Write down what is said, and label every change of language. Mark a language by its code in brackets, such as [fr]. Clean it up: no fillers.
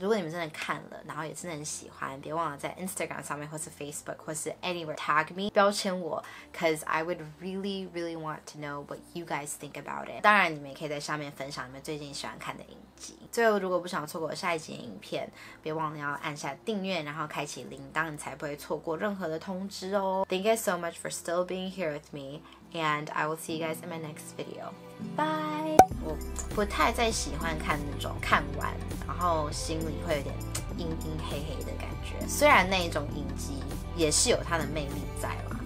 [zh] 如果你们真的看了，然后也真的很喜欢，别忘了在 Instagram 上面或是 Facebook 或是 [en] anywhere tag me [zh] 标签我， [en] cause I would really really want to know what you guys think about it。 [zh] 当然，你们也可以在下面分享你们最近喜欢看的影集。最后，如果不想错过下一集的影片，别忘了要按下订阅，然后开启铃铛，你才不会错过任何的通知哦。 [en] Thank you so much for still being here with me, and I will see you guys in my next video. Bye. [zh] 我不太再喜欢看那种看完然后心里会有点阴阴黑黑的感觉。虽然那一种影集也是有它的魅力在啦。